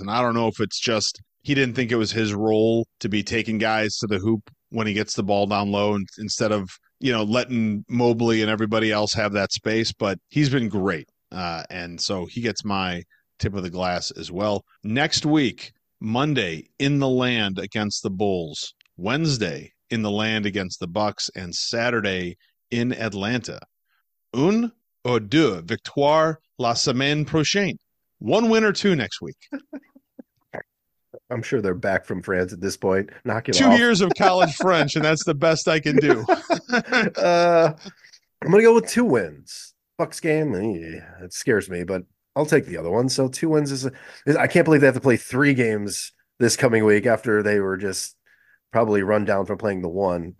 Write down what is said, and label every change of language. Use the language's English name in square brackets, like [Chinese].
[English] And I don't know if it's just he didn't think it was his role to be taking guys to the hoop when he gets the ball down low, and instead of, you know, letting Mobley and everybody else have that space. But he's been great. And so he gets my tip of the glass as well. Next week, Monday in the land against the Bulls, Wednesday in the land against the Bucks, and Saturday in Atlanta. [French] Un ou deux victoire la semaine prochaine. [English] 1 win or 2 next week. I'm sure they're back from France at this point. Knock it off. 2 years of college French, and that's the best I can do. I'm going to go with 2 wins. Bucks game, it scares me, but I'll take the other one. So 2 wins is I can't believe they have to play 3 games this coming week after they were just probably run down from playing the 1.